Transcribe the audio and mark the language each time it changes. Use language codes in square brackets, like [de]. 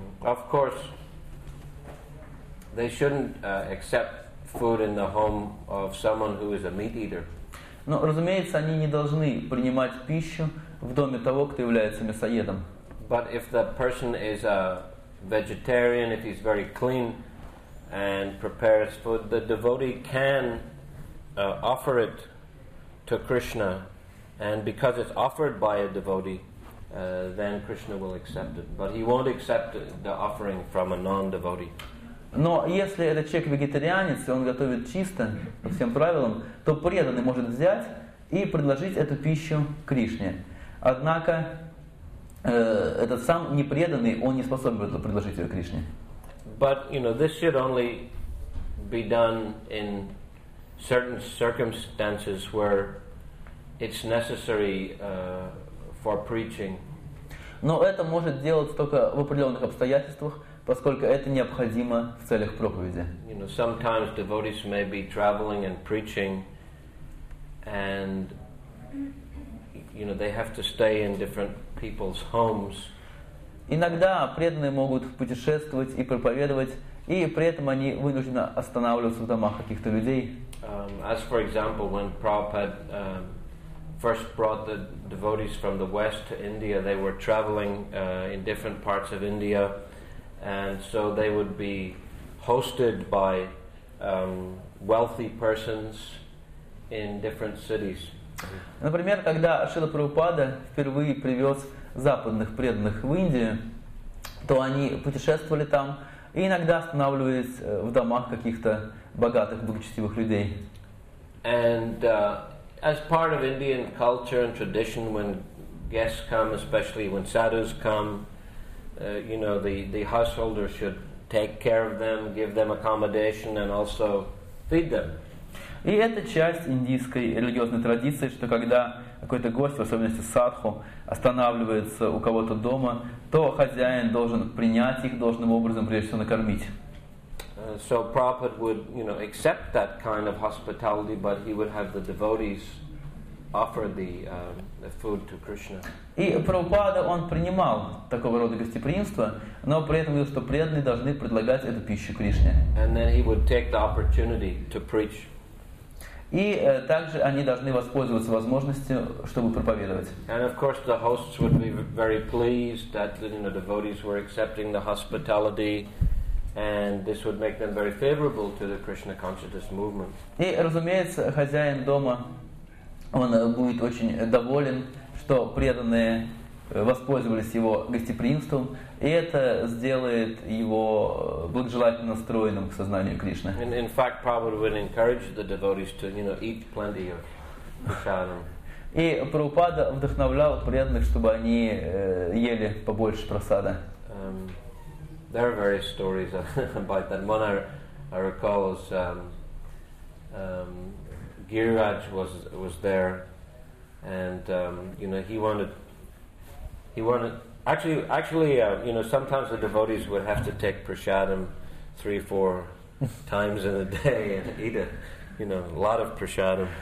[en] Of course, they shouldn't accept food in the home of someone who is a meat eater. [ru] Но, разумеется, они не должны принимать пищу в доме того, кто является мясоедом. [en] But if the person is a vegetarian, if he's very clean and prepares food, the devotee can offer it to Krishna. And because it's offered by a devotee, then Krishna will accept it. But he won't accept the offering from a non-devotee. [ru] Но если этот человек вегетарианец, и он готовит чисто, по всем правилам, то преданный может взять и предложить эту пищу Кришне. Однако этот сам непреданный, он не способен предложить ее Кришне. [en] But, you know, this should only be done in certain circumstances where it's necessary for preaching. [ru] Но это может делаться только в определенных обстоятельствах, поскольку это необходимо в целях проповеди. [en] You know, sometimes devotees may be traveling and preaching, and you know they have to stay in different people's homes. [ru] Иногда преданные могут путешествовать и проповедовать, и при этом они вынуждены останавливаться в домах каких-то людей. [en] As for example, when Prabhupada first brought the devotees from the west to India, they were traveling in different parts of India, and so they would be hosted by wealthy persons in different cities. [ru] Например, когда Шрила Прабхупада впервые привез западных преданных в Индию, то они путешествовали там и иногда останавливались в домах каких-то богатых, благочестивых людей. [en] And as part of Indian culture and tradition, when guests come, especially when sadhus come, you know, the householder should take care of them, give them accommodation, and also feed them. [ru] И это часть индийской религиозной традиции, что когда какой-то гость, в особенности садху, останавливается у кого-то дома, то хозяин должен принять их должным образом, прежде всего накормить. [en] So Prabhupada would, you know, accept that kind of hospitality, but he would have the devotees offer the food to Krishna. [ru] И Прабхупада, он принимал такого рода гостеприимство, но при этом говорил, что преданные должны предлагать эту пищу Кришне. [en] And then he would take the opportunity to preach. [ru] И также они должны воспользоваться возможностью, чтобы проповедовать. [en] And of course the hosts would be very pleased that the, you know, devotees were accepting the hospitality, and this would make them very favorable to the Krishna consciousness movement. [ru] И, разумеется, хозяин дома, он будет очень доволен, что преданные воспользовались его гостеприимством, и это сделает его благожелательно настроенным к сознанию Кришны. [en] In fact, Prabhupada would encourage the devotees to, you know, eat plenty of prasadam. [ru] И Прабхупада вдохновлял преданных, чтобы они ели побольше прасада. [en] There are various stories about that. One I recall is Giriraj was there, and you know, he wanted, sometimes the devotees would have to take prasadam 3-4 times in a day and eat it, you know, a lot of prasadam.